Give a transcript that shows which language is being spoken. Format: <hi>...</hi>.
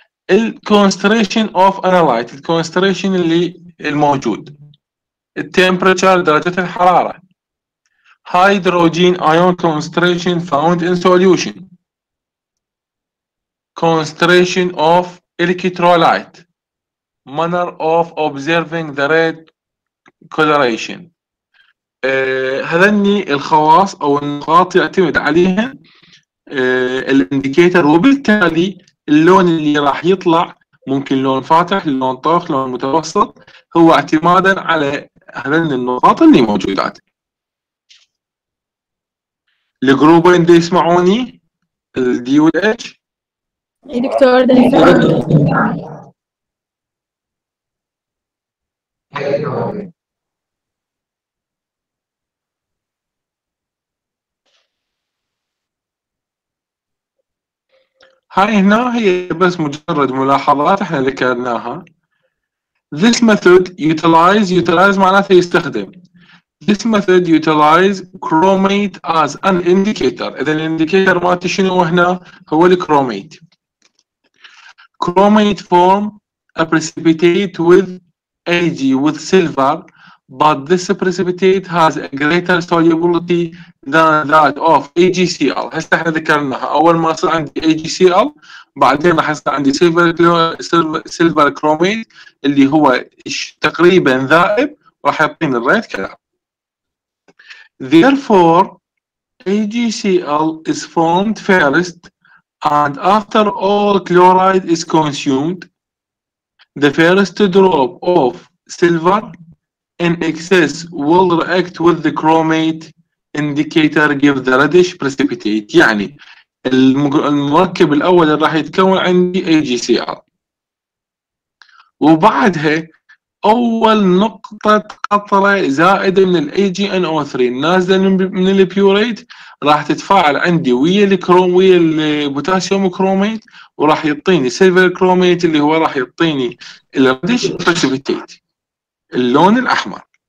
<en>ال concentration of analyte، ال concentration اللي الموجود، ال temperature</en> <ar>درجة الحرارة،</ar> <en>hydrogen ion concentration found in solution، concentration of electrolyte، manner of observing the red coloration،</en> <ar>هذني الخواص او النقاط يعتمد عليها الانديكيتر، وبالتالي اللون اللي راح يطلع ممكن لون فاتح، لون طاخ، لون متوسط، هو اعتمادا على هذين النقاط اللي موجودات. الجروبين اللي يسمعوني الدي و اتش دكتور هاي هنا هي بس مجرد ملاحظات احنا ذكرناها.</ar> <en>This method utilize, utilize</en> <ar>معناته يستخدم.</ar> <en>This method utilize chromate as an indicator.</en> <ar>اذا الانديكيتر ما تشينه هنا هو الكروميت.</ar> <en>Chromate form a precipitate with Ag with silver, but this precipitate has a greater solubility than that of AgCl.</en> <ar>هسه احنا ذكرناها اول ما صار عندي AgCl، بعدين راح يصير عندي silver chromate اللي هو تقريبا ذائب، راح يعطيني الريد كلر.</ar> <en>Therefore AgCl is formed first and after all chloride is consumed, the first drop of silver in excess will react with the chromate indicator give the reddish precipitate.</en> <ar>يعني المركب الاول اللي راح يتكون عندي AgCl، وبعدها اول نقطة قطرة زائدة من ال AgNO3 نازلة من البيوريت راح تتفاعل عندي ويا الكروم ويا البوتاسيوم كروميت، وراح يعطيني سيلفر كروميت اللي هو راح يعطيني الريدش بريسيبيتيت اللون الاحمر.</ar>